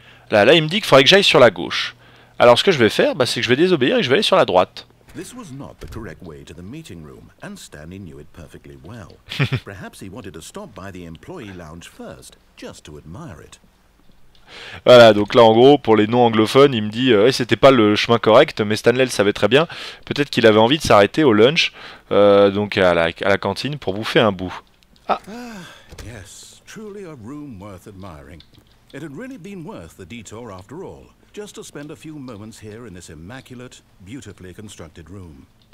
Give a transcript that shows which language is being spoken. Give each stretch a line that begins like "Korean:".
French: Là, il me dit qu'il faudrait que j'aille sur la gauche. Alors, ce que je vais faire, c'est que je vais désobéir et je vais aller sur la droite.
English: This was not the correct way to the meeting room, and Stanley knew it perfectly well. Perhaps he wanted to stop by the employee lounge first, just to admire it.
French: Voilà, donc là en gros, pour les non-anglophones, il me dit « c'était pas le chemin correct, mais Stanley le savait très bien, peut-être qu'il avait envie de s'arrêter au lunch, donc à la cantine, pour bouffer un bout. » Ah.
English: Yes, truly a room worth admiring. It had really been worth the detour after all, just to spend a few moments here in this immaculate, beautifully constructed room.